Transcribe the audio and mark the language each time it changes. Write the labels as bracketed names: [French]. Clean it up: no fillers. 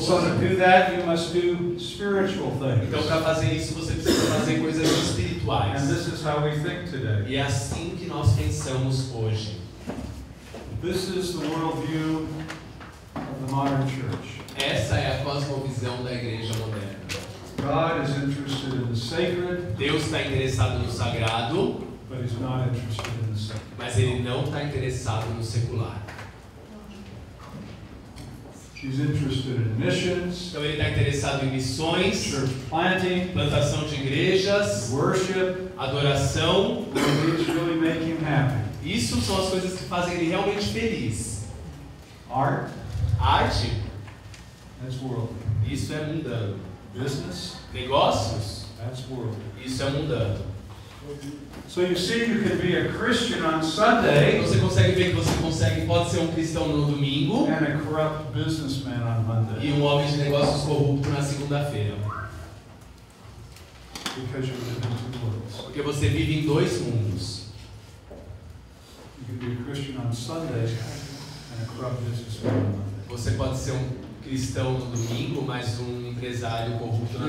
[English] So to do that, you must do spiritual things. [Portuguese] Então para fazer isso, você precisa fazer coisas espirituais. [English] And this is how we think today. [Portuguese] E é assim que nós pensamos hoje. [English] This is the worldview of the modern church. [Portuguese] Essa é a cosmovisão da igreja moderna. [English] God is interested in the sacred. [Portuguese] Deus está interessado no sagrado. [English] But he's not interested in the secular. [Portuguese] Mas ele não está interessado no secular. [English] He's interested in missions. [Portuguese] Então ele está interessado em missões. [English] Church planting. [Portuguese] Plantação de igrejas. [English] Worship. [Portuguese] Adoração. [English] And it's really making him happy. [Portuguese] Isso são as coisas que fazem ele realmente feliz. [English] Art. [Portuguese] Arte. [English] That's worldly. [Portuguese] Isso é mundano. [English] Business. [Portuguese] Negócios. [English] That's worldly. [Portuguese] Isso é mundano. [English] So you see, you can be a Christian on Sunday. [Portuguese] Você consegue ver que você consegue, pode ser um cristão no domingo. [English] And a corrupt businessman on Monday. [Portuguese] E um homem de negócios corrupto na segunda-feira. [English] Because you live in two worlds. [Portuguese] Porque você vive em dois mundos. [English] You can be a Christian on Sunday and a corrupt businessman on Monday. [Portuguese] Você pode ser um cristão no domingo, mas um empresário corrupto na